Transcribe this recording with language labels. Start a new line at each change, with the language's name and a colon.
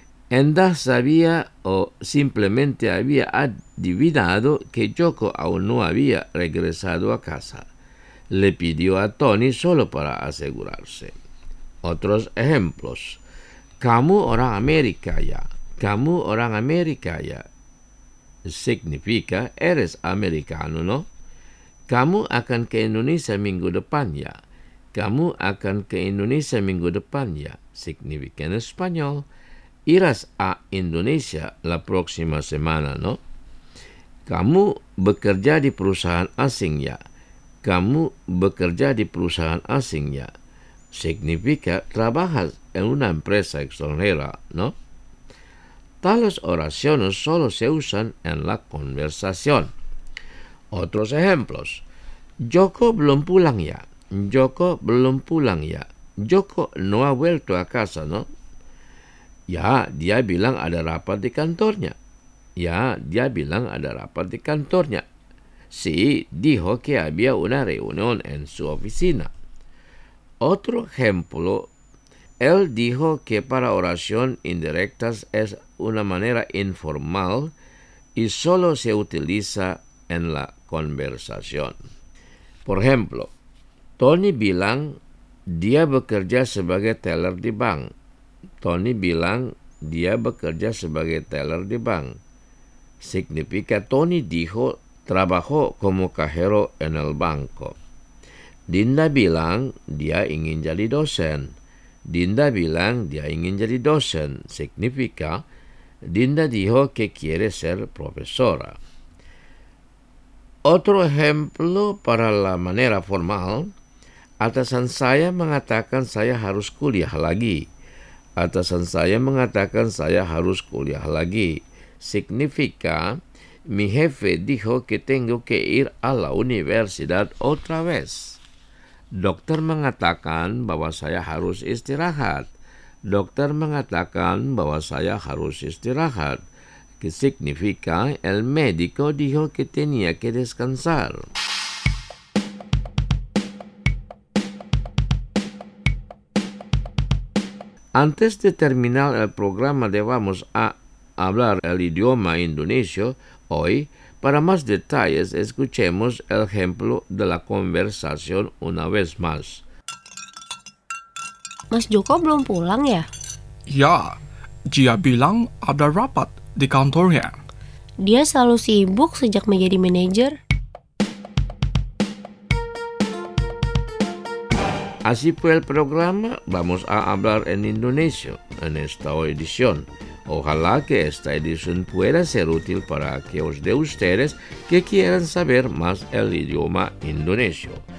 Spanish: Endah sabía o simplemente había adivinado que Joko aún no había regresado a casa. Le pidió a Tony solo para asegurarse. Otros ejemplos.
Indonesian: Kamu orang Amerika ya. Kamu orang Amerika ya.
Spanish: Significa eres americano, ¿no?
Indonesian: Kamu akan ke Indonesia minggu depan ya. Kamu akan ke Indonesia minggu depan ya.
Spanish: Significa en español. Irás a Indonesia la próxima semana, ¿no?
Indonesian: Kamu bekerja di perusahaan asing ya. Kamu bekerja di perusahaan asing ya.
Spanish: Significa trabajas en una empresa extranjera, ¿no? Tales oraciones solo se usan en la conversación. Otros ejemplos.
Indonesian: Joko belum pulang ya. Joko belum pulang ya.
Spanish: Joko no ha vuelto a casa, ¿no?
Indonesian: Ya, dia bilang ada rapat di kantornya. Ya, dia bilang ada rapat di kantornya.
Spanish: Si, dijo que había una reunión en su oficina. Otro ejemplo, él dijo que para oración indirectas es una manera informal y solo se utiliza en la conversación. Por ejemplo,
Indonesian: Tony bilang dia bekerja sebagai teller di bank. Tony bilang dia bekerja sebagai teller di bank.
Spanish: Significa Tony dijo trabajó como cajero en el banco.
Indonesian: Dinda bilang dia ingin jadi dosen. Dinda bilang dia ingin jadi dosen.
Spanish: Significa Dinda dijo que quiere ser profesora. Otro ejemplo para la manera formal.
Indonesian: Atasan saya mengatakan saya harus kuliah lagi. Atasan saya mengatakan saya harus kuliah lagi.
Spanish: Significa, mi jefe dijo que tengo que ir a la universidad otra vez.
Indonesian: Dokter mengatakan bahwa saya harus istirahat. Dokter mengatakan bahwa saya harus istirahat.
Spanish: Que significa, el médico dijo que tenía que descansar. Antes de terminar el programa de Vamos a Hablar el Idioma Indonesio hoy, para más detalles escuchemos el ejemplo de la conversación una vez más.
Indonesian: Mas Joko belum pulang ya? Ya, dia bilang ada rapat di kantornya. Dia selalu sibuk sejak menjadi manajer.
Spanish: Así fue el programa Vamos a Hablar en Indonesio en esta edición. Ojalá que esta edición pueda ser útil para aquellos de ustedes que quieran saber más el idioma indonesio.